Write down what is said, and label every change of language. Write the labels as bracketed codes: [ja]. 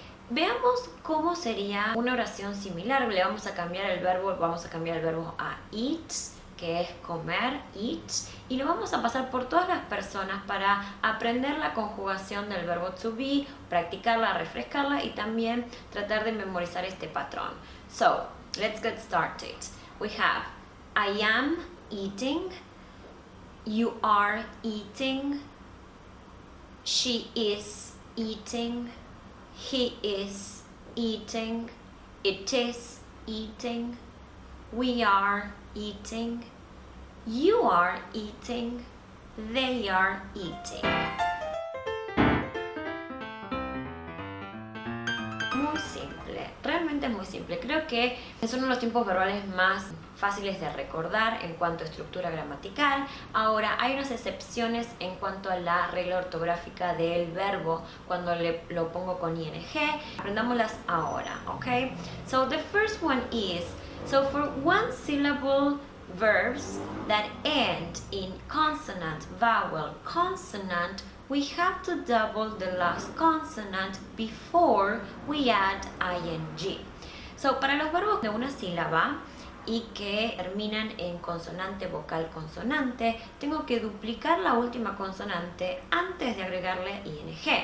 [es] Veamos cómo sería una oración similar. Le vamos a cambiar el verbo, vamos a cambiar el verbo a eat, que es comer, eat, y lo vamos a pasar por todas las personas para aprender la conjugación del verbo to be, practicarla, refrescarla y también tratar de memorizar este patrón. [en] So, let's get started. We have I am eating, you are eating, she is eating, he is eating, it is eating, we are eating, you are eating, they are eating. [es] Muy simple, realmente muy simple. Creo que es uno de los tiempos verbales más fáciles de recordar en cuanto a estructura gramatical. Ahora, hay unas excepciones en cuanto a la regla ortográfica del verbo cuando lo pongo con ing. Aprendámoslas ahora, ¿ok? [en] So, the first one is, so for one syllable verbs that end in consonant, vowel, consonant, we have to double the last consonant before we add ing. [es] So, para los verbos de una sílaba y que terminan en consonante, vocal, consonante, tengo que duplicar la última consonante antes de agregarle ing.